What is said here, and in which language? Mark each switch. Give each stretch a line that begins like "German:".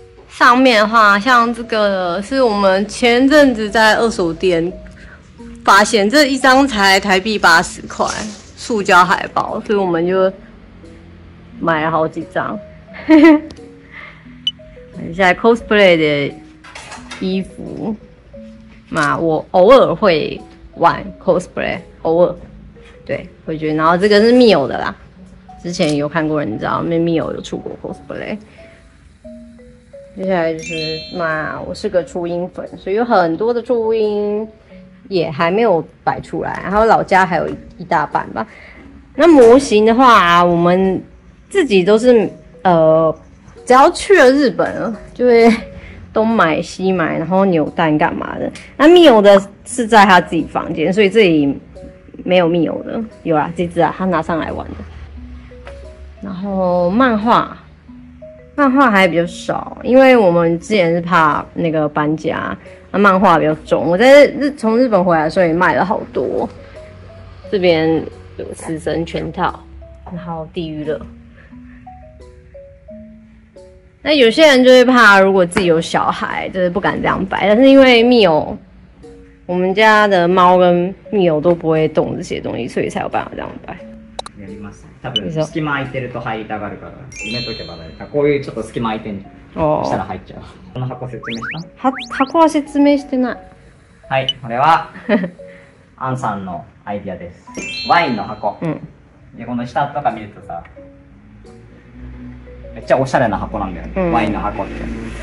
Chinese: 上面的话，像这个是我们前阵子在二手店发现，这一张才台币80块，塑胶海报，所以我们就买了好几张。现在 cosplay 的衣服嘛，我偶尔会玩 cosplay， 偶尔，对，会觉得。然后这个是 Mio 的啦，之前有看过人，你知道，那 Mio 有出过 cosplay。接下来就是嘛，我是个初音粉，所以有很多的初音也还没有摆出来，然后老家还有一大半吧。那模型的话、啊，我们自己都是只要去了日本就会东买西买，然后扭蛋干嘛的。那密友的是在他自己房间，所以这里没有密友的。有啦，这只啊，他拿上来玩的。然后漫画，漫画还比较少，因为我们之前是怕那个搬家，那漫画比较重。我在从日本回来的时候也卖了好多，这边死神全套，然后地狱乐。那有些人就会怕，如果自己有小孩，就是不敢这样摆。但是因为蜜友，我们家的猫跟蜜友都不会动这些东西，所以才有办法这样摆。
Japanese: やります。多分隙間空いてると入りたがるから、埋めとけば大丈夫。こういうちょっと隙間空いてんじゃん。したら入っちゃう。この箱説明した？箱は説明してない。はい、これはアンさんのアイディアです。ワインの箱。うん。でこの下とか見るとさ、めっちゃおしゃれな箱なんだよね。うん、ワインの箱って。